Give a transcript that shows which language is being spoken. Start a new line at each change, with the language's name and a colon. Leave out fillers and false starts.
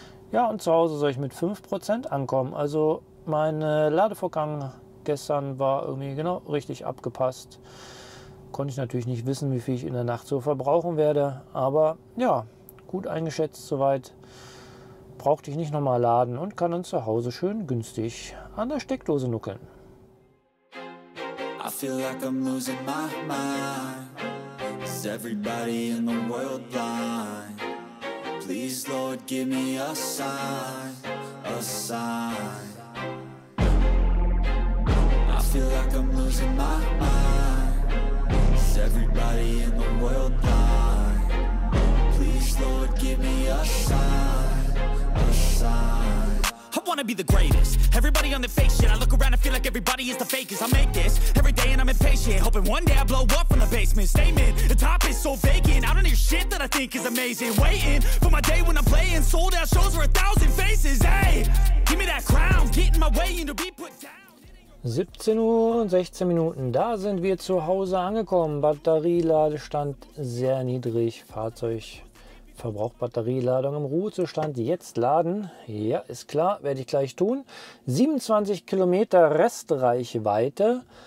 German: Ja, und zu Hause soll ich mit 5% ankommen. Also mein Ladevorgang gestern war irgendwie genau richtig abgepasst. Konnte ich natürlich nicht wissen, wie viel ich in der Nacht so verbrauchen werde. Aber ja, gut eingeschätzt soweit. Brauchte ich nicht nochmal laden und kann dann zu Hause schön günstig an der Steckdose nuckeln.
English: I feel like I'm losing my mind. Is everybody in the world blind? Please, Lord, give me a sign. A sign. I feel like I'm losing my mind. Is everybody in the world blind? Please, Lord, give me a sign, a sign. I wanna be the greatest. Everybody on the fake shit. I look around and feel like everybody is the fakest. I make this every day and I'm impatient. Hoping one day I blow up from the basement. Statement, the top is so vacant. I don't hear shit that I think is amazing. Waiting for my day when I'm playing sold out shows for 1,000 faces. Hey, give me that crown. Get in my way and to be put down.
German: 17 Uhr und 16 Minuten, da sind wir zu Hause angekommen. Batterieladestand sehr niedrig. Fahrzeug verbraucht Batterieladung im Ruhezustand. Jetzt laden. Ja, ist klar, werde ich gleich tun. 27 Kilometer Restreichweite.